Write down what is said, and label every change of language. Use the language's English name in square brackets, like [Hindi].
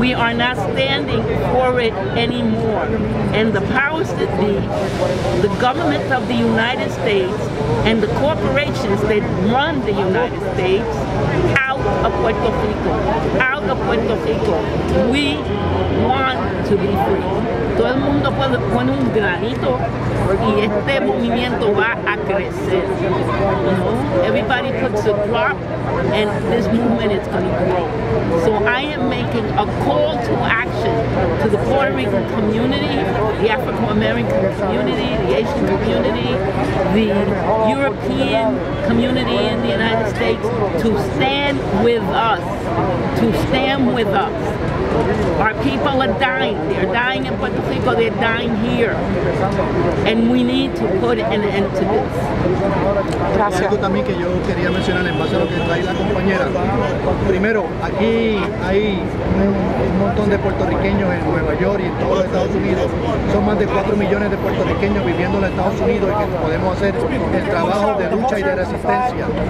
[English] We are not standing for it anymore. And the powers that be, the government of the United States, and the corporations that run the United States, out of Puerto Rico, out of Puerto Rico. We want to be free. [Spanish] Todo el mundo puede poner un granito y este movimiento va a crecer. [English] You know? Everybody puts a drop and this movement is going to grow. So I am making a call to action to the Puerto Rican community, the African-American community, the Asian community, the European community in the United States, to stand with us, to stand with us. Our people are dying. They're dying in Puerto Rico, they're dying here. And we need to put an end to this. [Spanish] Gracias. Algo también que yo quería mencionar en base a lo que trae la compañera. Primero, aquí hay un montón de puertorriqueños en Nueva York y en todos los Estados Unidos. Son más de 4 millones de puertorriqueños viviendo en Estados Unidos, y que podemos hacer el trabajo de lucha y de resistencia.